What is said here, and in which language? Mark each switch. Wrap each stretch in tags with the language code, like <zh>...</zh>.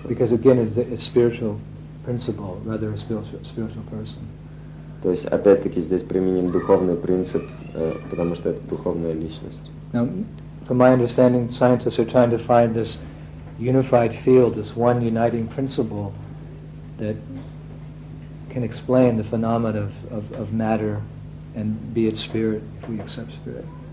<en>Because again, it's a spiritual principle, rather a spiritual person.</en> <ru>То есть опять-таки здесь применим духовный принцип, потому что это духовная личность.</ru> <en>Now, from my understanding, scientists are trying to find this unified field, this one uniting principle that can explain the phenomena of matter and be it spirit, if we accept spirit.</en>